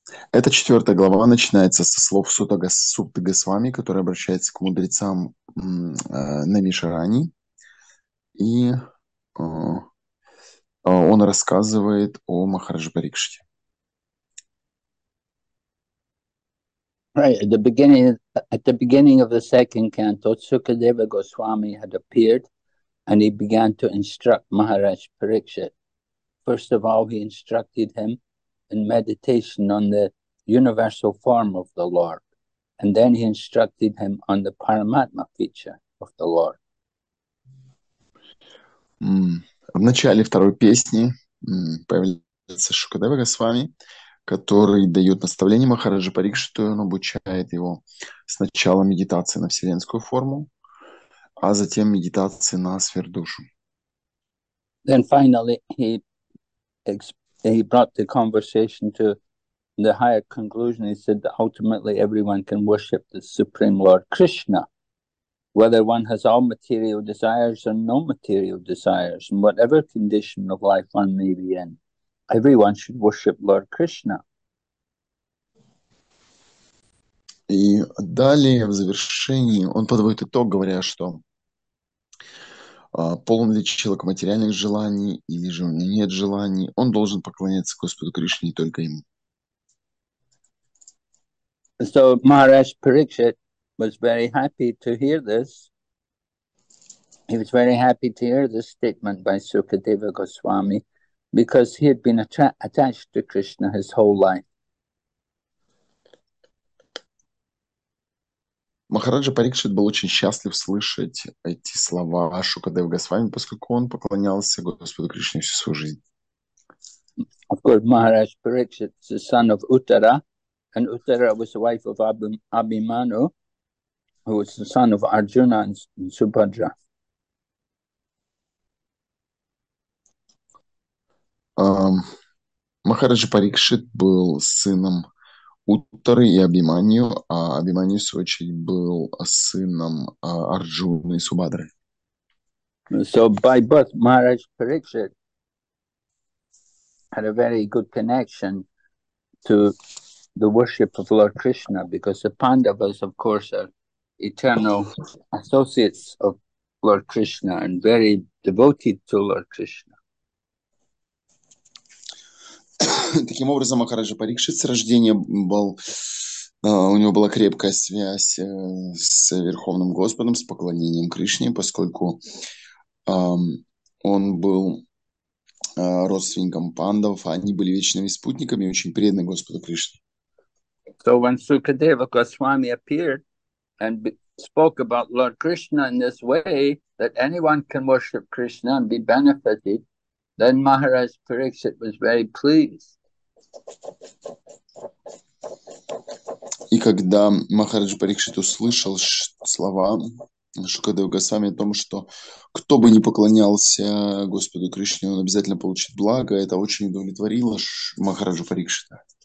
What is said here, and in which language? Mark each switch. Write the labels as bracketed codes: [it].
[ru] Эта четвертая глава начинается со слов Сутты Госвами, который обращается к мудрецам Намишарани. И он рассказывает о Махарадж Парикшите. [en] Right, at the beginning of the second canto, Sukadeva Goswami had appeared and he began to instruct Maharaj Parikshit. First of all, he instructed him in meditation on the universal form of the Lord, and then he instructed him on the Paramatma feature of the Lord. [ru] В начале второй песни появляется Шукадева Госвами, который дает наставление Махараджа Парикшиту, он обучает его сначала медитации на вселенскую форму, а затем медитации на сверхдушу. [en] Then finally he brought the conversation to the higher conclusion. He said that ultimately everyone can worship the Supreme Lord Krishna, whether one has all material desires or no material desires, in whatever condition of life one may be in, everyone should worship Lord Krishna. [ru] И далее, в завершении, он подводит итог, говоря, что полон ли человек материальных желаний или же у него нет желаний, он должен поклоняться Господу Кришне и только ему. [en] So Maharaj Parikshit was very happy to hear this. He was very happy to hear this statement by Sukadeva Goswami because he had been attached to Krishna his whole life. [ru] Махараджа Парикшит был очень счастлив слышать эти слова Шукадева Госвами, поскольку он поклонялся Господу Кришне всю свою жизнь. [en] Of course, Maharaj Parikshit is the son of Uttara, and Uttara was the wife of Abhimanyu, who was the son of Arjuna and Subhadra. [ru] Махараджа Парикшит был сыном Уттары и Абиманию, а Абиманию, в свою очередь, был сыном Арджуны и Субадры. [en] So by birth, Maharaj Parikshit had a very good connection to the worship of Lord Krishna, because the Pandavas, of course, are eternal associates of Lord Krishna and very devoted to Lord Krishna. [ru] Таким образом, Махараджа Парикшит с рождения был, у него была крепкая связь с Верховным Господом, с поклонением Кришне, поскольку он был родственником пандов, они были вечными спутниками и очень преданы Господу Кришне. [en] So when Sukadeva Goswami appeared and spoke about Lord Krishna in this way, that anyone can worship Krishna and be benefited, then Maharaj Parikshit was very pleased. [ru] И когда Махарадж Парикшит услышал слова Шукадева Госвами о том, что кто бы ни поклонялся Господу Кришне, он обязательно получит благо, это очень удовлетворило Махараджа Парикшита.